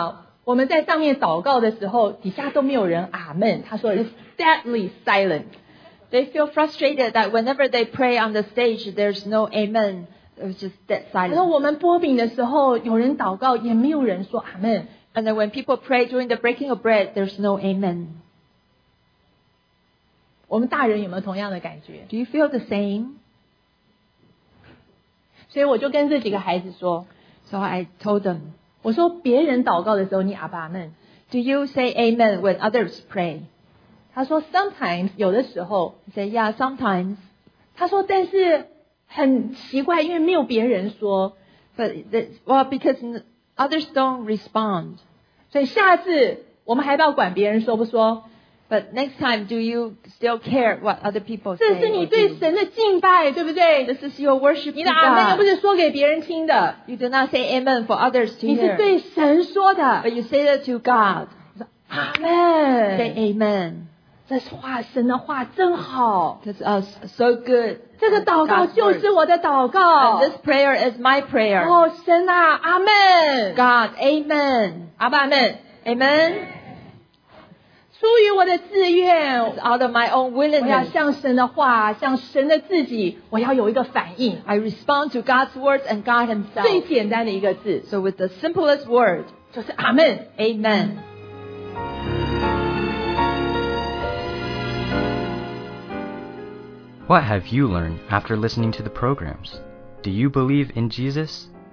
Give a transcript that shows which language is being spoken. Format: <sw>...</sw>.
<zh>他们说为什么我们在上面祷告的时候， 底下都没有人阿们。他说</zh> <en>it's deadly silent. They feel frustrated that whenever they pray on the stage, there's no amen. It's just dead silence.</en> <zh>然后我们拨饼的时候，有人祷告，也没有人说阿门。</zh> <en>And then when people pray during the breaking of bread, there's no amen.</en> <zh>我们大人有没有同样的感觉？</zh> <en>Do you feel the same?</en> <zh>所以我就跟这几个孩子说，</zh> <en>So I told them,</en> <zh>我说别人祷告的时候，你阿爸阿门。</zh> <en>Do you say amen when others pray?</en> <zh>他说</zh> <en>sometimes</en> <zh>有的时候，</zh> <en>say yeah sometimes，</en> <zh>他说但是很奇怪，因为没有别人说，</zh> <en>but well because others don't respond，</en> <zh>所以下次我们还要管别人说不说，</zh> <en>but next time do you still care what other people say？</en> <zh>这是你对神的敬拜，对不对？</zh> <en>This is your worship to God。</en> <zh>你的阿们又不是说给别人听的，</zh> <en>you do not say amen for others to hear。</en> <zh>你是对神说的，</zh> <en>but you say that to God。</en> <zh>阿们，</zh> <en>say amen。</en> <zh>这话神的话真好，</zh> <en>That's us so good.</en> <zh>这个祷告就是我的祷告，</zh> <en>And this prayer is my prayer.</en> <zh>哦，神啊，阿门。</zh> <en>God, amen.</en> <zh>阿爸们，</zh> <en>amen.</en> <zh>出于我的自愿，</zh> <en>It's out of my own willingness.</en> <zh>我要向神的话，向神的自己，我要有一个反应。</zh> <en>I respond to God's words and God himself.</en> <zh>最简单的一个字，</zh> <en>So with the simplest word,</en> <zh>就是阿门，</zh> <en>amen. What have you learned after listening to the programs? Do you believe in Jesus?</en>